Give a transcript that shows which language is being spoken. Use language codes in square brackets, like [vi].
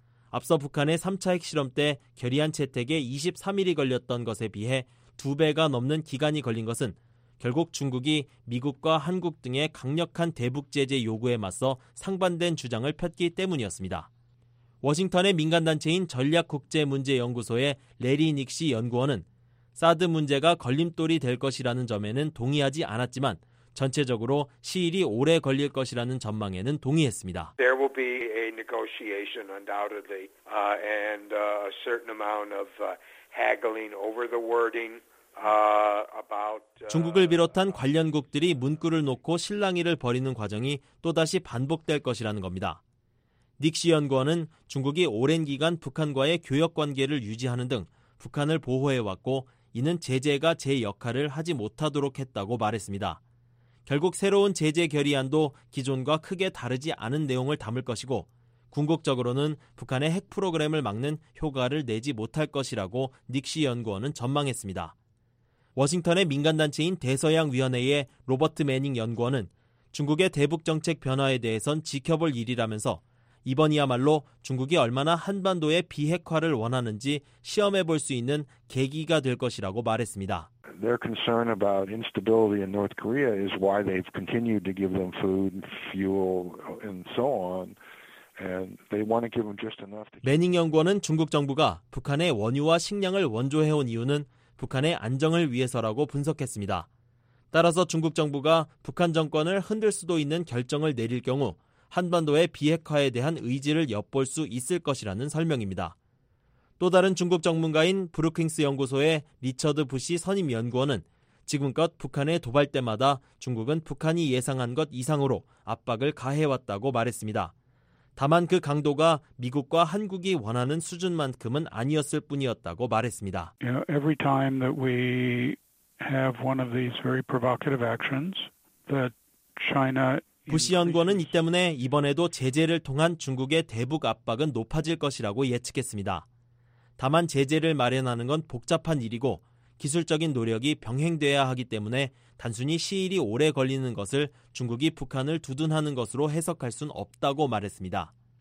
[ko] 앞서 북한의 3차 핵실험 때 결의안 채택에 23일이 걸렸던 것에 비해 2배가 넘는 기간이 걸린 것은 결국 중국이 미국과 한국 등의 강력한 대북 제재 요구에 맞서 상반된 주장을 폈기 때문이었습니다. 워싱턴의 민간단체인 전략국제문제연구소의 레리 닉시 연구원은 사드 문제가 걸림돌이 될 것이라는 점에는 동의하지 않았지만 전체적으로 시일이 오래 걸릴 것이라는 전망에는 동의했습니다. [en] There will be a negotiation undoubtedly and a certain amount of haggling over the wording. [ko] 중국을 비롯한 관련국들이 문구를 놓고 실랑이를 벌이는 과정이 또다시 반복될 것이라는 겁니다. 닉시 연구원은 중국이 오랜 기간 북한과의 교역관계를 유지하는 등 북한을 보호해왔고 이는 제재가 제 역할을 하지 못하도록 했다고 말했습니다. 결국 새로운 제재 결의안도 기존과 크게 다르지 않은 내용을 담을 것이고 궁극적으로는 북한의 핵 프로그램을 막는 효과를 내지 못할 것이라고 닉시 연구원은 전망했습니다. 워싱턴의 민간단체인 대서양위원회의 로버트 매닝 연구원은 중국의 대북정책 변화에 대해선 지켜볼 일이라면서 이번이야말로 중국이 얼마나 한반도의 비핵화를 원하는지 시험해볼 수 있는 계기가 될 것이라고 말했습니다. [en] Their concern about instability in North Korea is why they've continued to give them food, fuel, and so on. And they want to give them just enough to... [ko] 매닝 연구원은 중국 정부가 북한에 원유와 식량을 원조해온 이유는 북한의 안정을 위해서라고 분석했습니다. 따라서 중국 정부가 북한 정권을 흔들 수도 있는 결정을 내릴 경우 한반도의 비핵화에 대한 의지를 엿볼 수 있을 것이라는 설명입니다. 또 다른 중국 전문가인 브루킹스 연구소의 리처드 부시 선임 연구원은 지금껏 북한에 도발 때마다 중국은 북한이 예상한 것 이상으로 압박을 가해왔다고 말했습니다. 다만 그 강도가 미국과 한국이 원하는 수준만큼은 아니었을 뿐이었다고 말했습니다. [en] You know, every time that we have one of these very provocative actions that China [ko] 부시 연구원은 이 때문에 이번에도 제재를 통한 중국의 대북 압박은 높아질 것이라고 예측했습니다. 다만 제재를 마련하는 건 복잡한 일이고 기술적인 노력이 병행돼야 하기 때문에 단순히 시일이 오래 걸리는 것을 중국이 북한을 두둔하는 것으로 해석할 순 없다고 말했습니다.